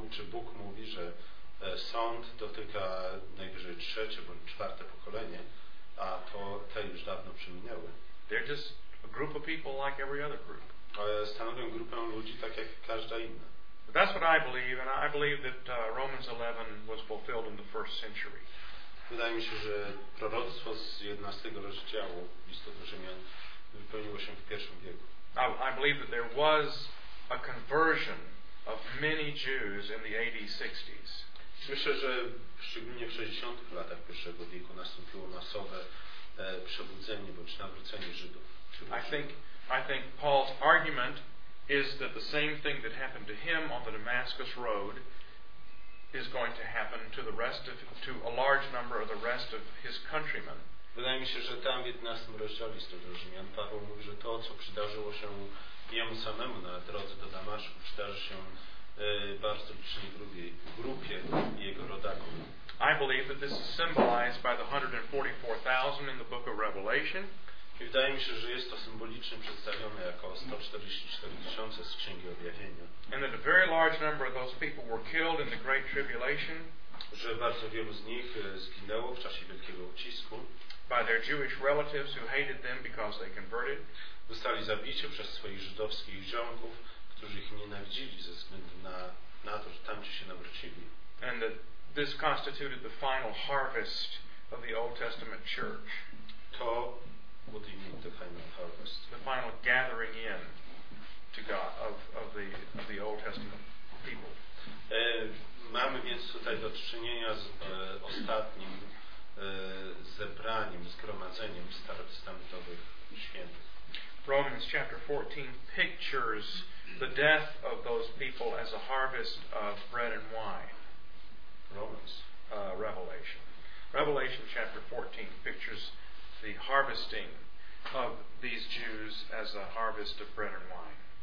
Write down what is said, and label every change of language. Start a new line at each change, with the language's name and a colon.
Polish: Bóg mówi, że sąd dotyka najwyżej trzecie bądź czwarte pokolenie, a to te już dawno przeminęły.
English: They're just a group of people like every other group.
Polish: Stanowią grupę ludzi tak jak każda inna.
English: But that's what I believe, and I believe that Romans 11 was fulfilled in the first century.
Polish: Wydaje mi się, że proroctwo z 11 rozdziału listu do Rzymian wypełniło się w pierwszym wieku.
English: I believe that there was a conversion of many Jews in the AD 60s.
Polish: Myślę, że szczególnie w 60-tych latach pierwszego wieku nastąpiło masowe przebudzenie bądź nawrócenie Żydów.
English: I think Paul's argument is that the same thing that happened to him on the Damascus Road is going to happen to the rest of to a large number of the rest of his countrymen.
Polish: Wydaje mi się, że tam w 11 rozdziale listu do Rzymian Paweł mówi, że to, co przydarzyło się jemu samemu na drodze do Damaszku, przydarzy się bardzo licznej grupie jego rodaków.
English: I believe that this is symbolized by the 144,000 in the book of Revelation.
Polish: I wydaje mi się, że jest to symbolicznie przedstawione jako 144 tysiące z Księgi Objawienia.
English: And that a very large number of those people were killed in the Great Tribulation.
Polish: Że bardzo wielu z nich zginęło w czasie wielkiego ucisku.
English: By their Jewish relatives who hated them because they converted.
Polish: Zostali zabici przez swoich żydowskich ziomków, którzy ich nienawidzili ze względu na to, że tamci się nawrócili.
English: And that this constituted the final harvest of the Old Testament church. To, what do you mean, the final harvest? The final gathering in to God of the Old Testament people.
Polish: Mamy więc tutaj do czynienia z ostatnim zebraniem, zgromadzeniem starotestamentowych świętych.
English: Romans chapter 14 pictures the death of those people as a harvest of bread and wine. Romans. Revelation. Revelation chapter 14 pictures the harvesting of these Jews as a harvest of bread and wine.